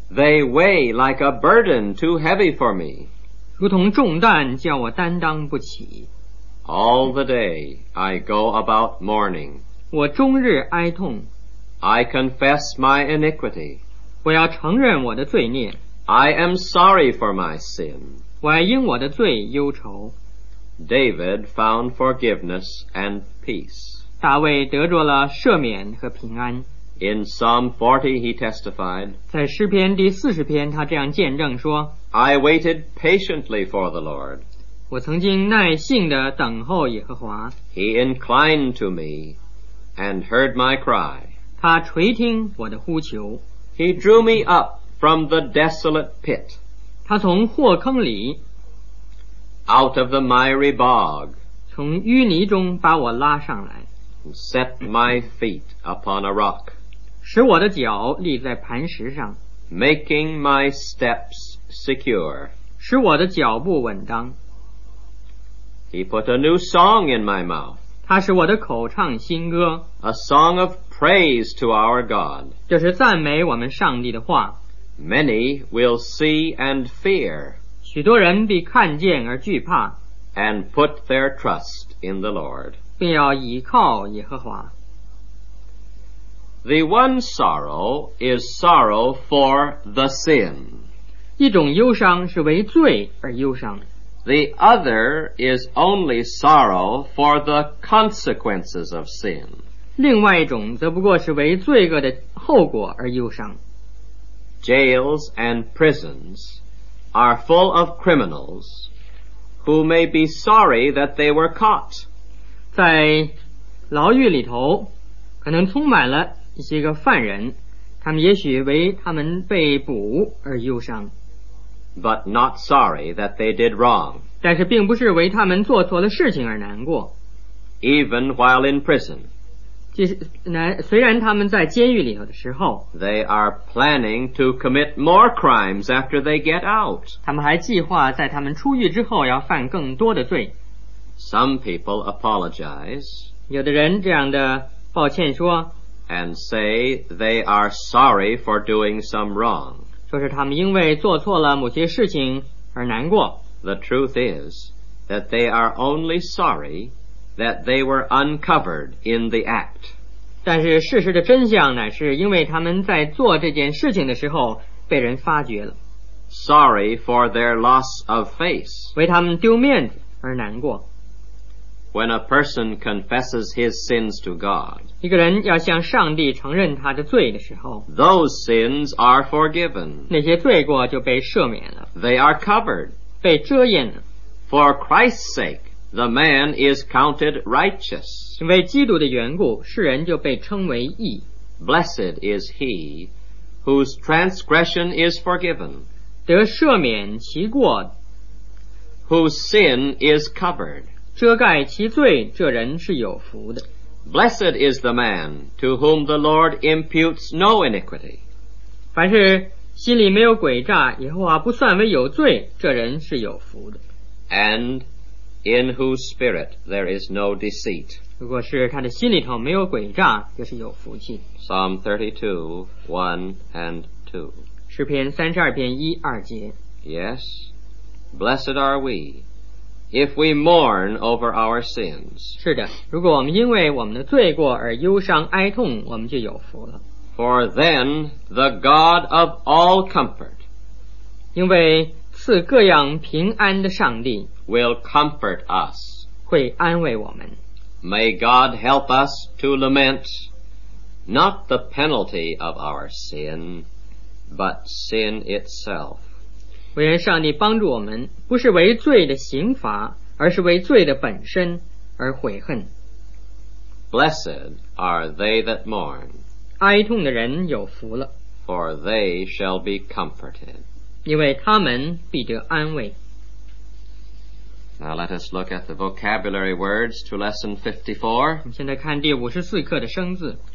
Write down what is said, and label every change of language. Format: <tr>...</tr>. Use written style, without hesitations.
<en>They weigh like a burden too heavy for me.</en> <zh>如同重担叫我担当不起。</zh> <en>All the day I go about mourning.</en> <zh>我终日哀痛。</zh> <en>I confess my iniquity.</en> <zh>我要承认我的罪孽。</zh> <en>I am sorry for my sin.</en> <zh>我还因我的罪忧愁。</zh> <en>David found forgiveness and peace.</en> <zh>大卫得着了赦免和平安。</zh> <en>In Psalm 40 he testified,</en> <zh>在诗篇第40篇他这样见证说，</zh> <en>I waited patiently for the Lord.</en> <zh>我曾经耐性地等候耶和华。</zh> <en>He inclined to me and heard my cry.</en> <zh>他垂听我的呼求。</zh> <en>He drew me up from the desolate pit.</en> <zh>他从祸坑里，</zh> <en>Out of the miry bog,</en> <zh>从淤泥中把我拉上来，</zh> <en>set my feet upon a rock,</en> <zh>使我的脚立在磐石上，</zh> <en>making my steps secure,</en> <zh>使我的脚步稳当。</zh> <en>He put a new song in my mouth,</en> <zh>他使我的口唱新歌，</zh> <en>a song of praise to our God,</en> <zh>就是赞美我们上帝的话。</zh> <en>Many will see and fear,</en> <zh>许多人必看见而惧怕，</zh> <en>and put their trust in the Lord,</en> <zh>并要倚靠耶和华。</zh> <en>The one sorrow is sorrow for the sin.</en> <zh>一种忧伤是为罪而忧伤。</zh> <en>The other is only sorrow for the consequences of sin.</en> <zh>另外一种则不过是为罪恶的后果而忧伤。</zh> <en>Jails and prisons are full of criminals who may be sorry that they were caught.</en> <zh>在牢狱里头可能充满了一些个犯人，他们也许为他们被捕而忧伤。</zh> <en>But not sorry that they did wrong.</en> <zh>但是并不是为他们做错了事情而难过。</zh> <en>Even while in prison,</en> <zh>虽然他们在监狱里头的时候，</zh> <en>they are planning to commit more crimes after they get out.</en> <zh>他们还计划在他们出狱之后要犯更多的罪。</zh> <en>Some people apologize,</en> <zh>有的人这样的抱歉说，</zh> <en>and say they are sorry for doing some wrong.</en> <zh>说是他们因为做错了某些事情而难过。</zh> <en>The truth is that they are only sorry that they were uncovered in the act.</en> <zh>但是事实的真相乃是因为他们在做这件事情的时候被人发觉了。</zh> <en>Sorry for their loss of face.</en> <zh>为他们丢面子而难过。</zh> <en>When a person confesses his sins to God,</en> <zh>一个人要向上帝承认他的罪的时候，</zh> <en>those sins are forgiven.</en> <zh>那些罪过就被赦免了。</zh> <en>They are covered.</en> <zh>被遮掩了。</zh> <en>For Christ's sake,The man is counted righteous.</en> <zh>因为基督的缘故，世人就被称为义。</zh> <en>Blessed is he whose transgression is forgiven.</en> <zh>得赦免其过。</zh> <en>Whose sin is covered.</en> <zh>遮盖其罪，这人是有福的。</zh> <en>Blessed is the man to whom the Lord imputes no iniquity.</en> <zh>凡是心里没有诡诈，耶和华不算为有罪，这人是有福的。</zh> <en>And in whose spirit there is no deceit.</en> <zh>如果是他的心里头没有诡诈，就是有福气。</zh> <en>Psalm 32, 1 and 2.</en> <zh>诗篇32篇一二节。</zh> <en>Yes, blessed are we if we mourn over our sins.</en> <zh>是的，如果我们因为我们的罪过而忧伤哀痛，我们就有福了。</zh> <en>For then the God of all comfort,</en> <zh>因为赐各样平安的上帝</zh> <en>will comfort us,</en> <zh>会安慰我们。</zh> <en>May God help us to lament not the penalty of our sin, but sin itself.</en> <zh>唯愿上帝帮助我们，不是为罪的刑罚，而是为罪的本身而悔恨。</zh> <en>Blessed are they that mourn,</en> <zh>哀痛的人有福了。</zh> <en>For they shall be comforted,</en> <zh>因为他们必得安慰。</zh> <en>Now let us look at the vocabulary words to lesson 54.</en> <zh>我们现在看第54课的生字。</zh>